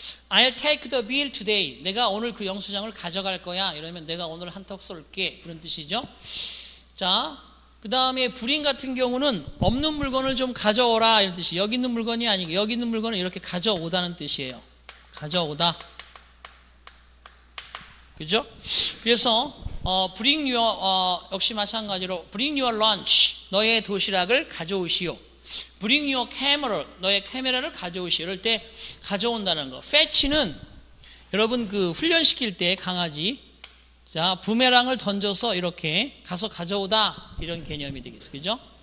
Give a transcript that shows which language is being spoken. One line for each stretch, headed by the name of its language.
English: I'll take the bill today.
Korean: 내가 오늘 그 영수증을 가져갈 거야. 이러면 내가 오늘 한 턱 쏠게. 그런 뜻이죠. 자, 그 다음에 bring 같은 경우는 없는 물건을 좀 가져오라. 이런 뜻이. 여기 있는 물건이 아니고 여기 있는 물건을 이렇게 가져오다는 뜻이에요. 가져오다. 그죠? 그래서
English: bring your,
Korean: 역시 마찬가지로
English: bring your lunch.
Korean: 너의 도시락을 가져오시오.
English: Bring your camera,
Korean: 너의 카메라를 가져오시오. 이럴 때 가져온다는 거. Fetch는 여러분 그 훈련시킬 때 강아지, 자, 부메랑을 던져서 이렇게 가서 가져오다. 이런 개념이 되겠어요. 그죠?